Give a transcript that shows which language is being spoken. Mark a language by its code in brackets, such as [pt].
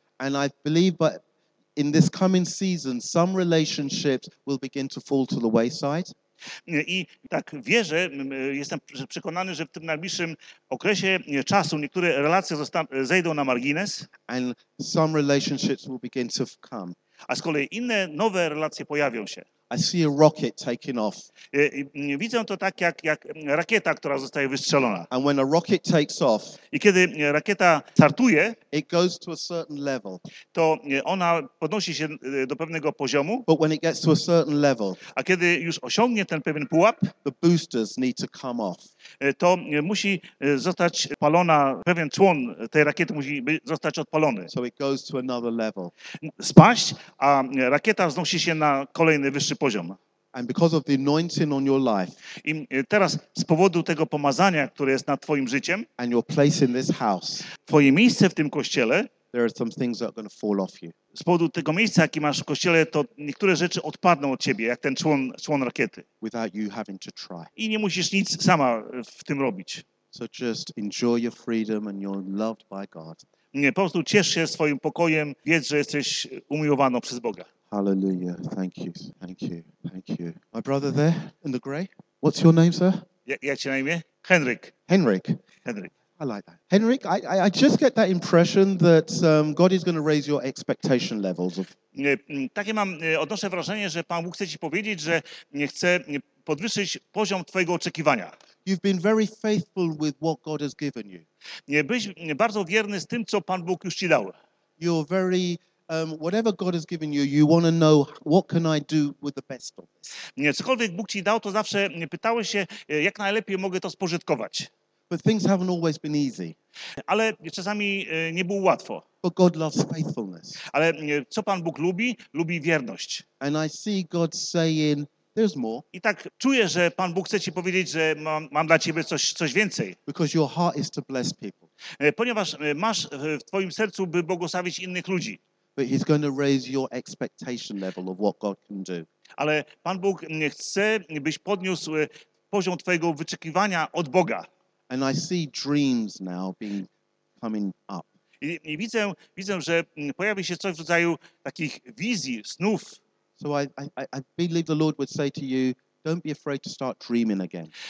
[en] And I believe but in this coming season some relationships will begin to fall to the wayside. [pl] I tak wierzę, jestem przekonany, że w tym najbliższym okresie czasu niektóre relacje zejdą na margines. [en] And some relationships will begin to come. [pl] A z kolei inne nowe relacje pojawią się. [en] I see a rocket taking off. [pl] Widzę to tak jak rakieta, która zostaje wystrzelona. [en] And when a rocket takes off, [pl] i kiedy rakieta startuje, [en] it goes to a certain level. [pl] To ona podnosi się do pewnego poziomu. [en] But when it gets to a certain level, [pl] a kiedy już osiągnie ten pewien pułap, [en] the boosters need to come off. [pl] To musi zostać palona, pewien człon tej rakiety musi zostać odpalony. [en] So it goes to another level. [pl] Spaść, a rakieta wznosi się na kolejny wyższy poziom. [en] And because of the anointing on your life, [pl] i teraz z powodu tego pomazania, które jest nad twoim życiem, [en] and your place in this house, [pl] twoje miejsce w tym kościele, [en] there are some things that are going to fall off you. [pl] Z powodu tego miejsca, jakie masz w kościele, to niektóre rzeczy odpadną od ciebie, jak ten człon rakiety. [en] Without you having to try. [pl] I nie musisz nic sama w tym robić. [en] So just enjoy your freedom and you're loved by God. [pl] Nie, po prostu ciesz się swoim pokojem, wiedz, że jesteś umiłowaną przez Boga. [en] Hallelujah. Thank you. My brother there in the gray. What's your name, sir? [pl] Jak się na imię? Henryk. [en] Henryk. I like that. Henryk, I just get that impression that God is going to raise your expectation levels of. [pl] Nie, takie mam odnoszę wrażenie, że Pan Bóg chce ci powiedzieć, że nie chce podwyższyć poziom twojego oczekiwania. [en] You've been very faithful with what God has given you. [pl] Nie, byś bardzo wierny z tym, co Pan Bóg już ci dał. [en] You're very whatever God has given you, you want to know what can I do with the best of this. [pl] Nie, cokolwiek Bóg ci dał, to zawsze pytałeś się, jak najlepiej mogę to spożytkować. [en] But things haven't always been easy. [pl] Ale czasami nie było łatwo. [en] But God loves faithfulness. [pl] Ale co Pan Bóg lubi? Lubi wierność. [en] And I see God saying, there's more. [pl] I tak czuję, że Pan Bóg chce ci powiedzieć, że mam dla ciebie coś więcej. [en] Because your heart is to bless people. [pl] Ponieważ masz w twoim sercu, by błogosławić innych ludzi. [en] But he's going to raise your expectation level of what God can do. [pl] Ale Pan Bóg chce, byś podniósł poziom twojego wyczekiwania od Boga. [en] And I see dreams now being coming up. [pl] I widzę, że pojawi się coś w rodzaju takich wizji, snów. [en] So I believe the Lord would say to you, don't be afraid to start dreaming again.